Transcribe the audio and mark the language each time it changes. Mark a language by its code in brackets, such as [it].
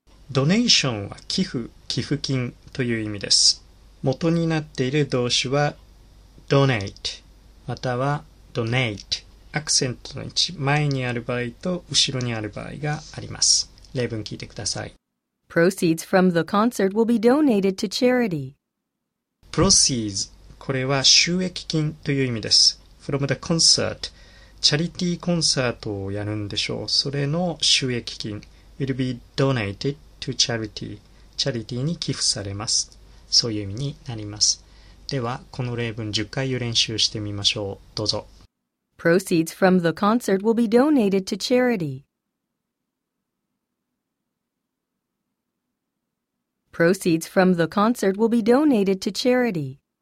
[ja] ドネーションは寄付、寄付金という意味です。元になっている動詞は donate または donate。アクセントの位置、前にある場合と後ろにある場合があります。例文聞いてください。 [en] Proceeds from the concert will be donated to charity. [ja] Proceeds、これは収益金という意味です。 [en] From the concert、 [ja] チャリティーコンサートをやるんでしょう。それの収益金、 [en] will be donated to charity。 [ja] チャリティーに寄付されます。そういう意味になります。では、この例文10回練習してみましょう。どうぞ。 [en] Proceeds from the concert will be donated to charity. Proceeds from the concert will be donated to charity.